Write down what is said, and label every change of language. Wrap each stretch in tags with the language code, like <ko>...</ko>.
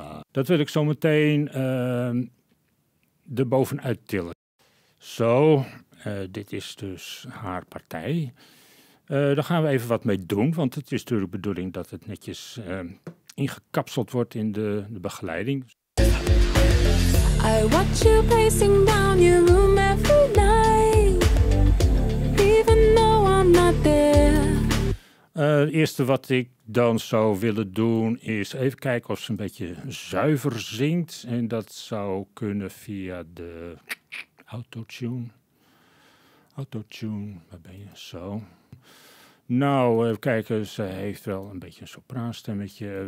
<nl>Dat wil ik zo meteen erbovenuit tillen. Zo, dit is dus haar partij. Daar gaan we even wat mee doen, want het is natuurlijk de bedoeling dat het netjes ingekapseld wordt in de begeleiding.</nl> <en>I watch you pacing down your room every night, even though I'm not there.</en> <nl>Het eerste wat ik dan zou willen doen is even kijken of ze een beetje zuiver zingt. En dat zou kunnen via de autotune. Autotune, waar ben je? Zo. Nou, even kijken, ze heeft wel een beetje een sopraanstemmetje.</nl>